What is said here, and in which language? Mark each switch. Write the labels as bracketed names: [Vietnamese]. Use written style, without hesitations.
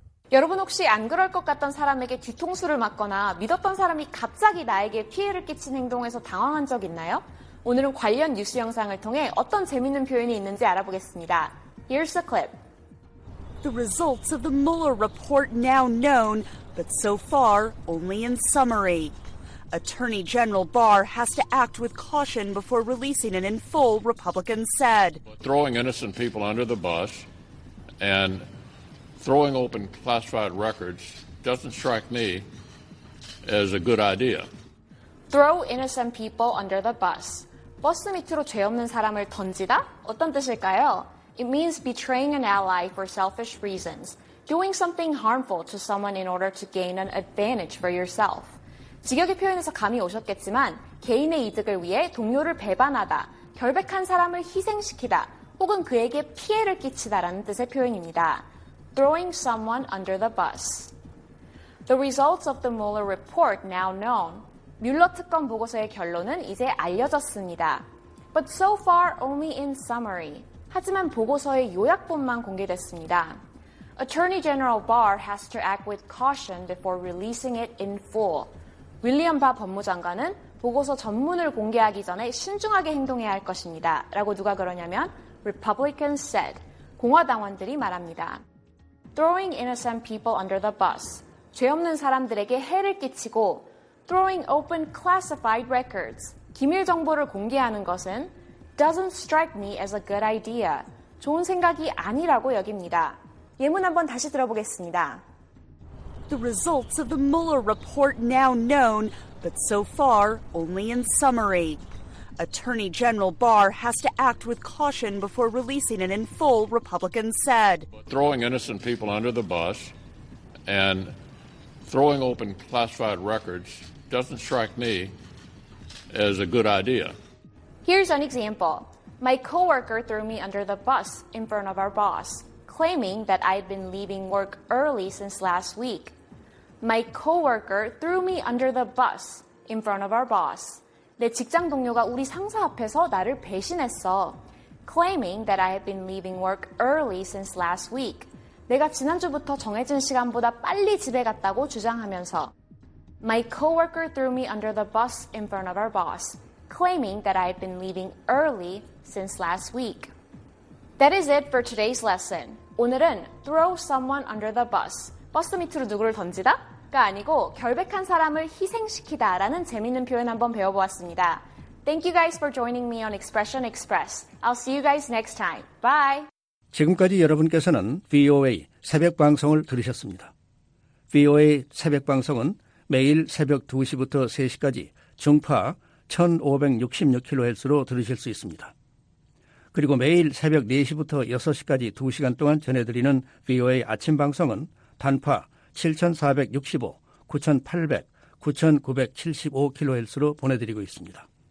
[Korean] 여러분 혹시 안 그럴 것 같던 사람에게 뒤통수를 맞거나 믿었던 사람이 갑자기 나에게 피해를 끼친 행동에서 당황한 적 있나요? 오늘은 관련 뉴스 영상을 통해 어떤 재밌는 표현이 있는지 알아보겠습니다. [English] Here's the clip. The results of the Mueller report now known, but so far only in summary. Attorney General Barr has to act with caution before releasing it in full, Republicans said. Throwing innocent people under the bus and throwing open classified records doesn't strike me as a good idea. Throw innocent people under the bus. [Korean] 버스 밑으로 죄 없는 사람을 던지다? 어떤 뜻일까요? [English] It means betraying an ally for selfish reasons. Doing something harmful to someone in order to gain an advantage for yourself. [Korean] 직역의 표현에서 감이 오셨겠지만 개인의 이득을 위해 동료를 배반하다, 결백한 사람을 희생시키다, 혹은 그에게 피해를 끼치다라는 뜻의 표현입니다. [English] Throwing someone under the bus. The results of the Mueller report now known. [Korean] 뮬러 특검 보고서의 결론은 이제 알려졌습니다. [English] But so far only in summary. [Korean] 하지만 보고서의 요약본만 공개됐습니다. [English] Attorney General Barr has to act with caution before releasing it in full. [Korean] 윌리엄 바 법무장관은 보고서 전문을 공개하기 전에 신중하게 행동해야 할 것입니다. 라고 누가 그러냐면 [English] Republicans said, [Korean] 공화당원들이 말합니다. [English] Throwing innocent people under the bus. [Korean] 죄 없는 사람들에게 해를 끼치고 [English] Throwing open classified records. [Korean] 기밀 정보를 공개하는 것은 [English] Doesn't strike me as a good idea. [Korean] 좋은 생각이 아니라고 여깁니다. 예문 한번 다시 들어보겠습니다. [English] The results of the Mueller report now known, but so far only in summary. Attorney General Barr has to act with caution before releasing it in full, Republicans said. Throwing innocent people under the bus and throwing open classified records doesn't strike me as a good idea. Here's an example. My coworker threw me under the bus in front of our boss, claiming that I'd been leaving work early since last week. My coworker threw me under the bus in front of our boss. [Korean] 내 직장 동료가 우리 상사 앞에서 나를 배신했어. [English] Claiming that I had been leaving work early since last week. [Korean] 내가 지난주부터 정해진 시간보다 빨리 집에 갔다고 주장하면서. [English] My coworker threw me under the bus in front of our boss. Claiming that I had been leaving early since last week. That is it for today's lesson. [Korean] 오늘은 [English] throw someone under the bus. [Korean] 버스 밑으로 누구를 던지다? 가 아니고 결백한 사람을 희생시키다 라는 재미있는 표현 한번 배워보았습니다. [English] Thank you guys for joining me on Expression Express. I'll see you guys next time. Bye! [Korean] 지금까지 여러분께서는 VOA 새벽 방송을 들으셨습니다. VOA 새벽 방송은 매일 새벽 2시부터 3시까지 중파 1566kHz로 들으실 수 있습니다. 그리고 매일 새벽 4시부터 6시까지 2시간 동안 전해드리는 VOA 아침 방송은 단파 7465, 9800, 9975kHz로 보내드리고 있습니다.